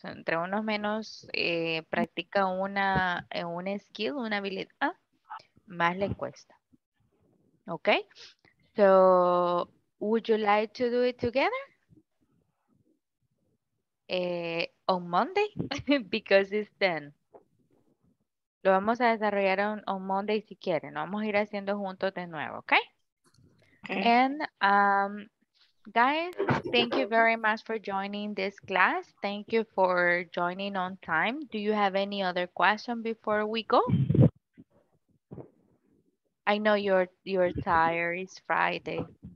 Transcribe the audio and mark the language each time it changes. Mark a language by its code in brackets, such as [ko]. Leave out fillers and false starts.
[es] Entre unos menos practica una skill, una habilidad, más le cuesta. [en] Okay? So, would you like to do it together? On Monday, because it's 10. [es] Lo vamos a desarrollar [en] on Monday [es] si quieren. Vamos a ir haciendo juntos de nuevo, okay? [en] Okay. And, guys, thank you very much for joining this class. Thank you for joining on time. Do you have any other question before we go? I know you're tired. It's Friday.